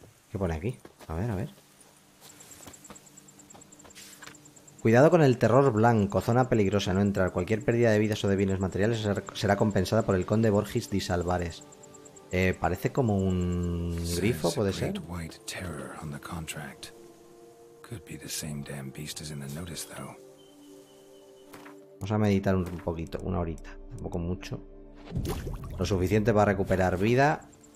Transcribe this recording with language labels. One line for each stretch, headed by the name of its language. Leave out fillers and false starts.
Spanish: ¿Qué pone aquí? A ver. Cuidado con el terror blanco. Zona peligrosa. No entrar. Cualquier pérdida de vidas o de bienes materiales será compensada por el conde Borgis de Salvares. Parece como un grifo, puede ser.
English: White terror on the contract. Could be the same damn beast as in the notice, though.
Spanish: Vamos a meditar un poquito, una horita, tampoco mucho. Lo suficiente para recuperar vida.